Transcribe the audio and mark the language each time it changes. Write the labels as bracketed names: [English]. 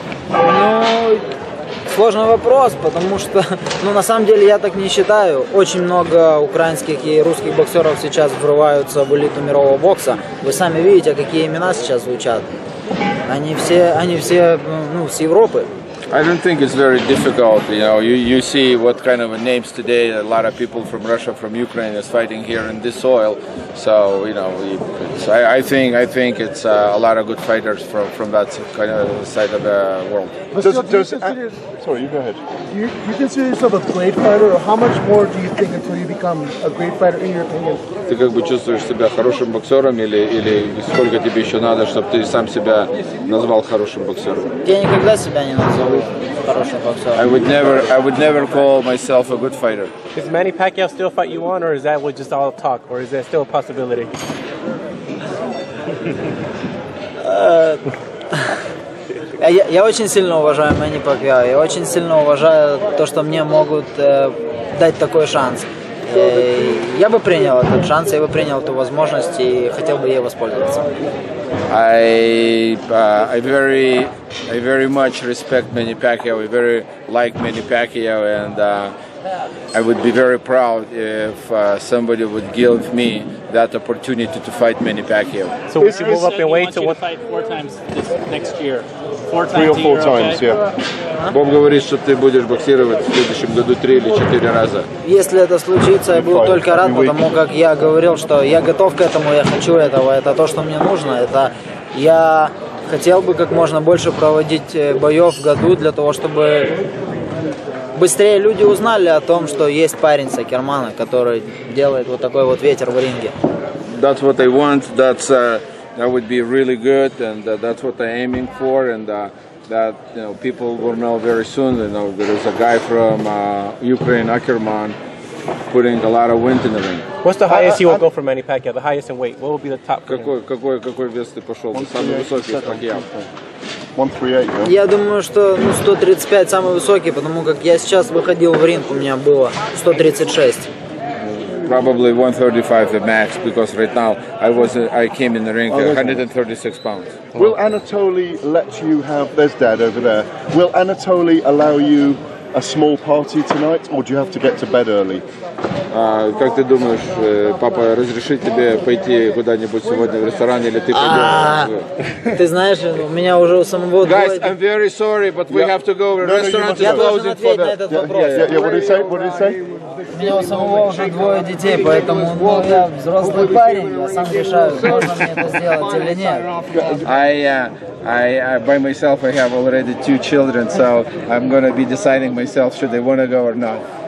[Russian] Ну, сложный вопрос, потому что, ну, на самом деле я так не считаю. Очень много украинских и русских боксеров сейчас врываются в элиту мирового бокса. Вы сами видите, какие имена сейчас звучат. Они все, ну, с Европы. [English] I don't think it's very difficult. You know, you see what kind of names today. A lot of people from Russia, from Ukraine, is fighting here in this soil. So you know, I think it's a lot of good fighters from that kind of side of the world. Sorry, you go ahead. Do you consider yourself a great fighter, or how much more do you think until you become a great fighter, in your opinion? [Russian] Ты как бы чувствуешь себя хорошим боксером или сколько тебе еще надо, чтобы ты сам себя назвал хорошим боксером? Я никогда себя не назову. [English] I would never call myself a good fighter. Does Manny Pacquiao still fight you on, or is that just all talk, or is there still a possibility? [Russian] Я очень сильно уважаю Manny Pacquiao. Я очень сильно уважаю то, что мне могут дать такой шанс. Я бы принял этот шанс, я бы принял эту возможность и хотел бы ей воспользоваться. [English] I very much respect Manny Pacquiao. I very like Manny Pacquiao, and I would be very proud if somebody would give me that opportunity to fight Manny Pacquiao. So we should move up in weight to what? Fight four times this next year. Four times. Yeah. [Russian] Боб говорит, что ты будешь боксировать в следующем году 3 или 4 раза. Если это случится, я буду только рад, потому как я говорил, что я готов к этому, я хочу этого, это то, что мне нужно. Это я хотел бы как можно больше проводить боев в году для того, чтобы быстрее люди узнали о том, что есть парень с Акермана, который делает вот такой вот ветер в ринге. [English] That's what I want. That would be really good, and that's what I'm aiming for, and that you know, people will know very soon. You know, there is a guy from Ukraine, Ackerman, putting a lot of wind in the ring. What's the highest you will go for Manny Pacquiao? The highest in weight? What will be the top? [Russian] Какой вес ты пошел? Самый высокий Пакьяо. 138. Я думаю, что 135 самый высокий, потому как я сейчас выходил в ринг, у меня было 136. [English] Probably 135 the max, because right now I came in the ring at 136 pounds. Will Anatoly let you have, there's Dad over there, will Anatoly allow you a small party tonight, or do you have to get to bed early? [Russian] Как ты думаешь, папа разрешит тебе пойти куда-нибудь сегодня в ресторан, или ты пойдешь? Ты знаешь, у меня уже у самого... [English] Guys, I'm very sorry, but we have to go. The restaurant is closing for that. Yeah, what did he say? [Russian] У меня у самого уже двое детей, поэтому я взрослый парень, я сам решаю, можно мне это сделать или нет. [English] I by myself, I have already 2 children, so I'm going to be deciding myself should they want to go or not.